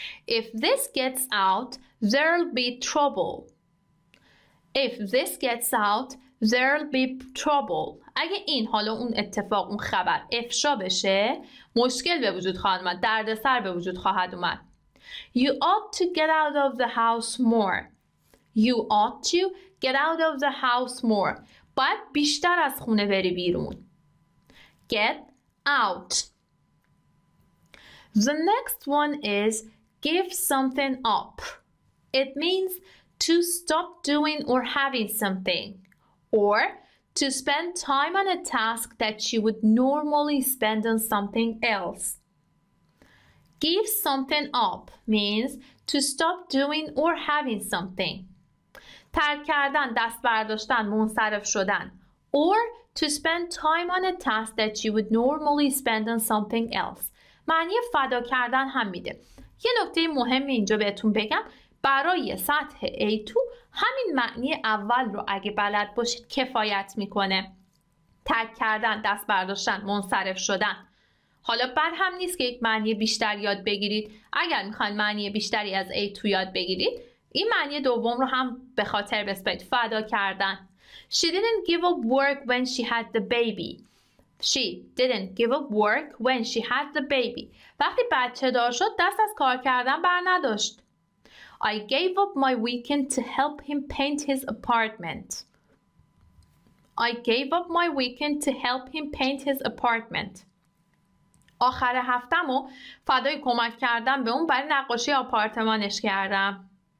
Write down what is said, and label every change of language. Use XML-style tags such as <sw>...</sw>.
<en>If this gets out there'll be trouble. If this gets out there'll be trouble.</en> <fa>اگه این حالا اون اتفاق اون خبر افشا بشه مشکل به وجود خواهد اومد، دردسر به وجود خواهد اومد.</fa> <en>You ought to get out of the house more. You ought to get out of the house more.</en> <fa>باید بیشتر از خونه بری بیرون.</fa> <en>Get out. The next one is give something up. It means to stop doing or having something. Or to spend time on a task that you would normally spend on something else. Give something up means to stop doing or having something.</en> <fa>ترک کردن، دست برداشتن، منصرف شدن.</fa> <en>Or to spend time on a task that you would normally spend on something else.</en> <fa>معنی فدا کردن هم میده. یه نکته مهم اینجا بهتون بگم. برای سطح A2 همین معنی اول رو اگه بلد باشید کفایت میکنه. ترک کردن، دست برداشتن، منصرف شدن. حالا بد هم نیست که یک معنی بیشتر یاد بگیرید. اگر میخواین معنی بیشتری از A2 یاد بگیرید، این معنی دوم رو هم به خاطر بسپارید. فدا کردن.</fa> <en>She didn't give up work when she had the baby. She didn't give up work when she had the baby.</en> <fa>وقتی بچه دار شد دست از کار کردن بر نداشت.</fa> <en>I gave up my weekend to help him paint his apartment. I gave up my weekend to help him paint his apartment.</en> <fa>آخر هفتمو فدای کمک کردم به اون برای نقاشی آپارتمانش کردم.</fa>